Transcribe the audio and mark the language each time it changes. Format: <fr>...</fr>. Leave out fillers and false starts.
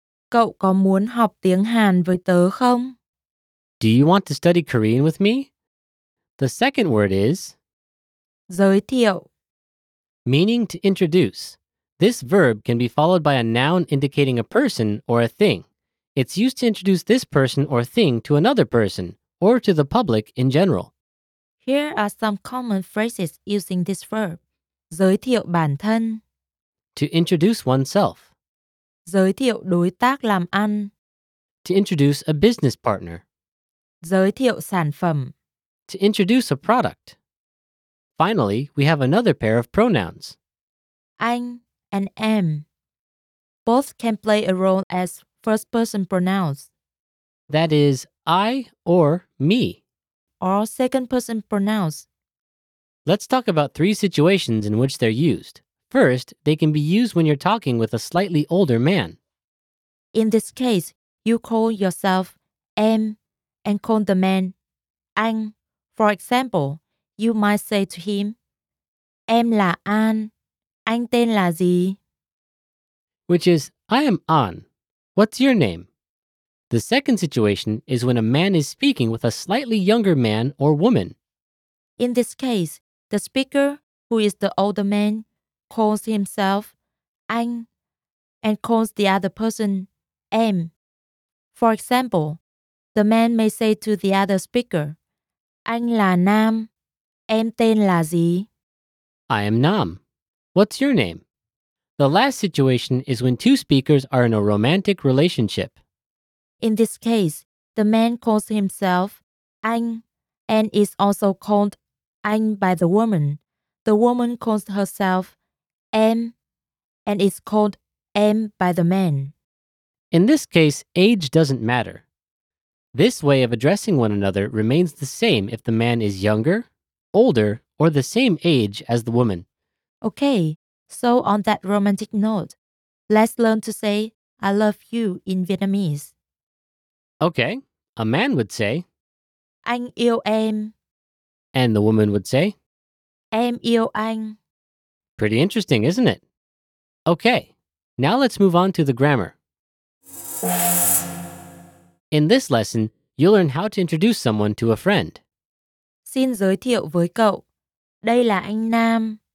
<vi>Cậu có muốn học tiếng Hàn với tớ không?</vi> <en>Do you want to study Korean with me? The second word is</en> <vi>giới thiệu,</vi> <en>meaning to introduce. This verb can be followed by a noun indicating a person or a thing. It's used to introduce this person or thing to another person or to the public in general. Here are some common phrases using this verb.</en> <vi>Giới thiệu bản thân.</vi> <en>To introduce oneself.</en> <vi>Giới thiệu đối tác làm ăn.</vi> <en>To introduce a business partner.</en> <vi>Giới thiệu sản phẩm.</vi> <en>To introduce a product. Finally, we have another pair of pronouns. Anh and em. Both can play a role as first person pronouns. That is, I or me. Or second person pronouns. Let's talk about three situations in which they're used. First, they can be used when you're talking with a slightly older man. In this case, you call yourself em and call the man anh. For example, you might say to him,</en> <vi>em là An, anh tên là gì?</vi> <en>Which is, I am An, what's your name? The second situation is when a man is speaking with a slightly younger man or woman. In this case, the speaker, who is the older man, calls himself anh and calls the other person em. For example, the man may say to the other speaker,</en> <vi>anh là Nam, em tên là gì?</vi> <en>I am Nam. What's your name? The last situation is when two speakers are in a romantic relationship. In this case, the man calls himself anh and is also called anh by the woman. The woman calls herself em and is called em by the man. In this case, age doesn't matter. This way of addressing one another remains the same if the man is younger, older, or the same age as the woman. Okay, so on that romantic note, let's learn to say I love you in Vietnamese. Okay, a man would say</en> <vi>anh yêu em.</vi> <en>And the woman would say</en> <vi>em yêu anh.</vi> <en>Pretty interesting, isn't it? Okay, now let's move on to the grammar. In this lesson, you'll learn how to introduce someone to a friend.</en> <vi>Xin giới thiệu với cậu. Đây là anh Nam,</vi>